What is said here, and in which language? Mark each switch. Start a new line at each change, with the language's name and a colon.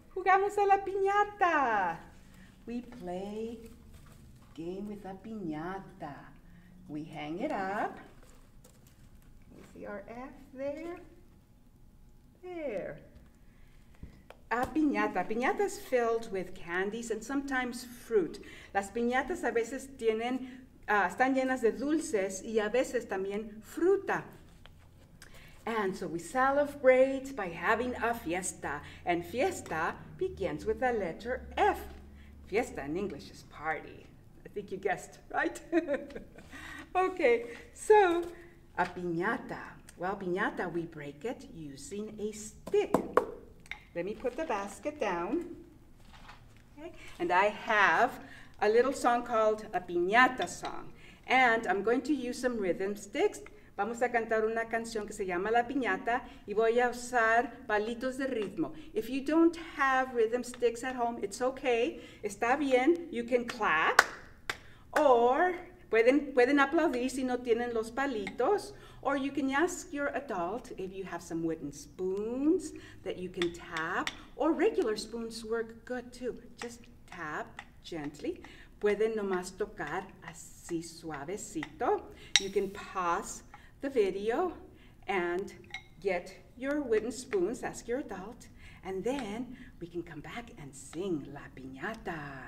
English: Jugamos a la piñata. We play game with a piñata. We hang it up. You see our F there? There. A piñata. Piñata is filled with candies and sometimes fruit.
Spanish: Las piñatas a veces tienen, están llenas de dulces y a veces también fruta.
English: And so we celebrate by having a fiesta. And fiesta begins with the letter F. Fiesta in English is party. I think you guessed, right? Okay, so a piñata. Well, piñata, we break it using a stick. Let me put the basket down. Okay. And I have a little song called a piñata song. And I'm going to use some rhythm sticks.
Spanish: Vamos a cantar una canción que se llama La Piñata y voy a usar palitos de ritmo.
English: If you don't have rhythm sticks at home, it's okay.
Spanish: Está bien.
English: You can clap.
Spanish: Or pueden aplaudir si no tienen los palitos.
English: Or you can ask your adult if you have some wooden spoons that you can tap. Or regular spoons work good too. Just tap gently.
Spanish: Pueden nomás tocar así suavecito.
English: You can pause the video and get your wooden spoons, ask your adult, and then we can come back and sing La Piñata.